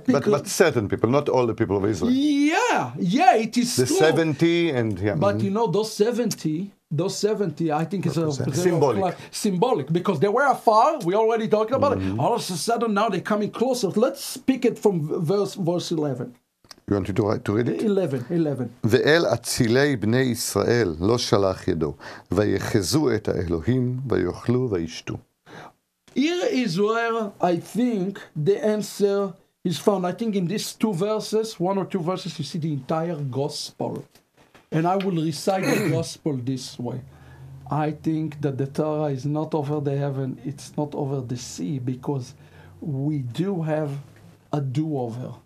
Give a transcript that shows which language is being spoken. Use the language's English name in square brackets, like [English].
[English] But certain people, not all the people of Israel. Yeah, yeah, it is the true. 70 and... Yeah. But you know, those 70, I think is a... Symbolic. Symbolic, because they were afar. We already talked about it. All of a sudden, now they're coming closer. Let's pick it from verse 11. You want to read it? 11. [Hebrew] ואל אצילי בני ישראל לא שלח ידו, ויחזו את האלוהים, ויוכלו וישתו. [English] Here is where I think the answer is found. I think in these two verses, one or two verses, you see the entire gospel. And I will recite the gospel this way. I think that the Torah is not over the heaven, it's not over the sea, because we do have a do-over.